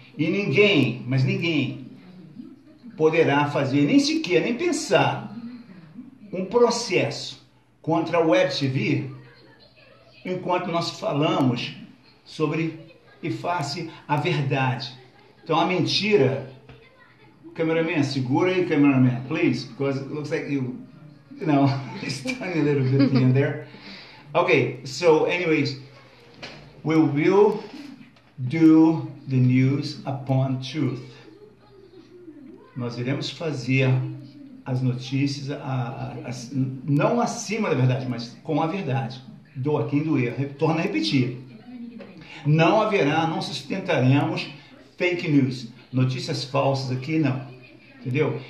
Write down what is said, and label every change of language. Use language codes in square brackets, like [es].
[pt] E ninguém, mas ninguém, poderá fazer, nem sequer, nem pensar, um processo contra a Web TV enquanto nós falamos sobre e face a verdade. Então a mentira, [en] cameraman, [pt] segura aí, [en] cameraman, please, because it looks like you, you know, it's tiny little bit in there. Okay, so anyways, we will do the news upon truth. [pt] Nós iremos fazer as notícias não acima da verdade, mas com a verdade. Doa quem doer. Torna a repetir. Não haverá, não sustentaremos fake news. Notícias falsas aqui, não. Entendeu?